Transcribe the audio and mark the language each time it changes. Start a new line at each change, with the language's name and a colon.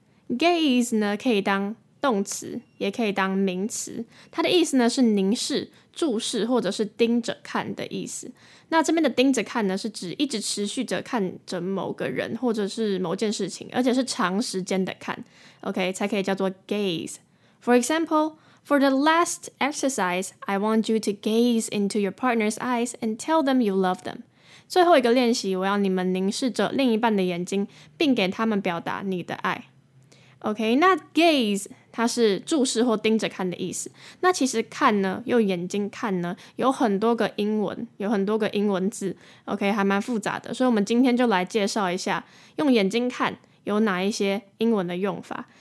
Chinese: Gaze 呢可以当动词也可以当名词，它的意思呢是凝视注视或者是盯着看的意思。那这边的盯着看呢是指一直持续着看着某个人或者是某件事情，而且是长时间的看， OK， 才可以叫做 gaze。
English: For example, for the last exercise, I want you to gaze into your partner's eyes and tell them you love them。
Chinese: 最后一个练习，我要你们凝视着另一半的眼睛，并给他们表达你的爱。 OK， 那 gaze 它是注视或盯着看的意思。那其实看呢，用眼睛看呢，有很多个英文字。 OK， 还蛮复杂的，所以我们今天就来介绍一下用眼睛看有哪一些英文的用法。